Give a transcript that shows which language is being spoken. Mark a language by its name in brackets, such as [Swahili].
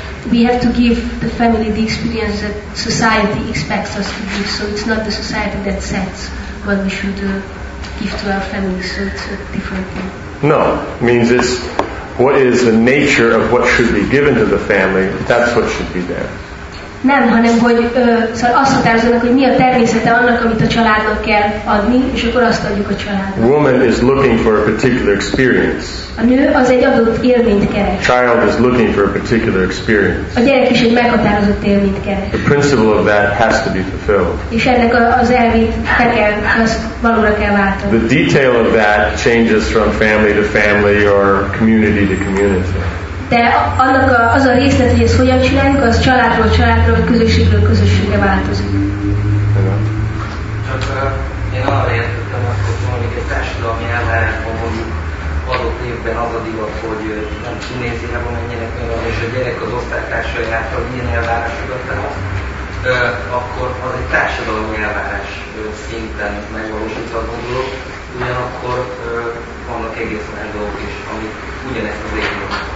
[English] we have to give the family the experience that society expects us to give, so it's not the society that sets what we should give to our family, so it's a different thing. No, means it's what is the nature of what should be given to the family, that's what should be there. [Hungarian] Nem, hanem hogy azt határozzanak, hogy mi a természete annak, amit a családnak kell adni, és akkor azt adjuk a családnak. [English] Woman is looking for a particular experience. [Hungarian] A nő az egy adott élményt keres. [English] Child is looking for a particular experience. [Hungarian] A gyerek is egy meghatározott élményt keres. [English] The principle of that has to be fulfilled. [Hungarian] És ennek az elvét valóra kell váltani. [English] The detail of that changes from family to family or community to community. [Hungarian] De annak az a részlet, hogy ezt hogyan csináljuk, az családról családról, vagy közösségről közösségre változik. Csak én arra értettem azt, hogy mondjuk egy társadalmi elvárásban mondjuk adott évben az a divat, hogy nem kinézi, nem menjenek olyan, és a gyerek az osztálytársai által milyen elvárásokat tehoz, akkor az egy társadalmi elvárás szinten megvalósítva gondolok, ugyanakkor vannak egészen egy dolgok is, ami ugyanezt az évben.